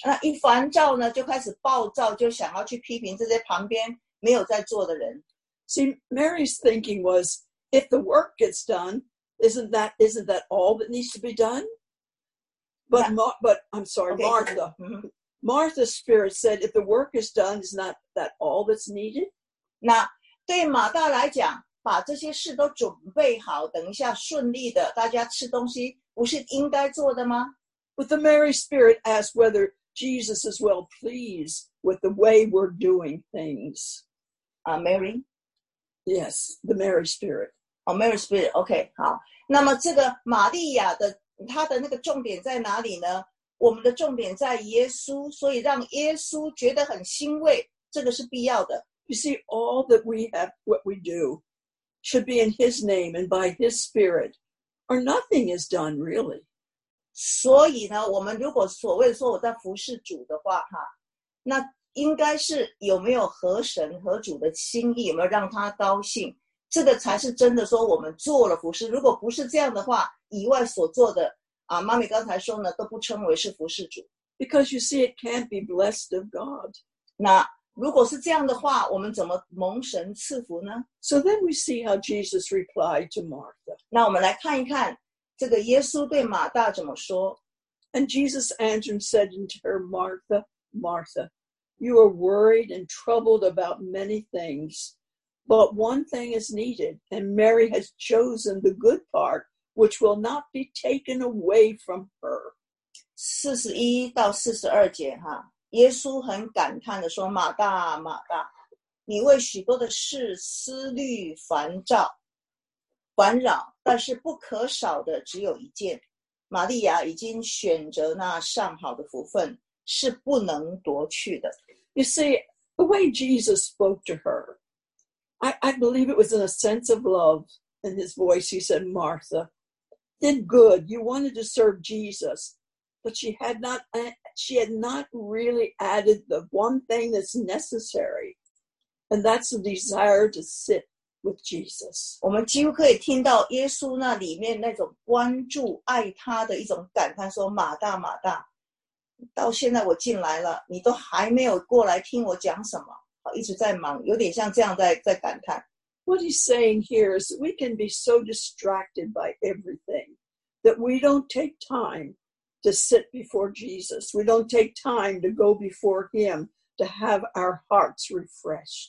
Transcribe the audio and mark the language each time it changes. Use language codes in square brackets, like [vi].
[zh] 那一烦躁呢，就开始暴躁，就想要去批评这些旁边没有在做的人。 [en] See, Mary's thinking was, if the work gets done, isn't that all that needs to be done? But Martha. Martha's spirit said, if the work is done, isn't that all that's needed? [zh] 那对马大来讲，把这些事都准备好，等一下顺利的大家吃东西，不是应该做的吗？ [en] But the Mary spirit asked whether Jesus is well pleased with the way we're doing things. Mary? Yes, the Mary spirit. Oh, Mary spirit, okay, 好。 [zh] 那么这个玛利亚的，她的那个重点在哪里呢？我们的重点在耶稣，所以让耶稣觉得很欣慰，这个是必要的。 [en] You see, all that we have, what we do,should be in his name and by his spirit, or nothing is done really. [zh] 所以呢，我们如果所谓说我在服侍主的话，哈，那应该是有没有合神合主的心意，有没有让他高兴，这个才是真的说我们做了服侍。如果不是这样的话，以外所做的，啊，妈咪刚才说呢，都不称为是服侍主。 [en] Because you see, it can't be blessed of God. [zh] 那如果是这样的话，我们怎么蒙神赐福呢？ [en] So then we see how Jesus replied to Martha. [zh] 那我们来看一看这个耶稣对马大怎么说。 [en] And Jesus answered and said unto her, Martha, Martha, you are worried and troubled about many things, but one thing is needed, and Mary has chosen the good part, which will not be taken away from her. [zh] 41到42节哈。耶稣很感叹地说，马大马大，你为许多的事思虑烦躁烦扰，但是不可少的只有一件。玛利亚已经选择那上好的福分，是不能夺去的。 [en] You see, the way Jesus spoke to her, I believe it was in a sense of love in his voice. He said, Martha, did good. You wanted to serve Jesus, but she had not really added the one thing that's necessary, and that's the desire to sit with Jesus. [zh] 我们几乎可以听到耶稣那里面那种关注爱他的一种感叹，说马大马大，到现在我进来了，你都还没有过来听我讲什么，一直在忙，有点像这样在感叹。 [en] What he's saying here is that we can be so distracted by everything that we don't take time to sit before Jesus. We don't take time to go before him to have our hearts refreshed.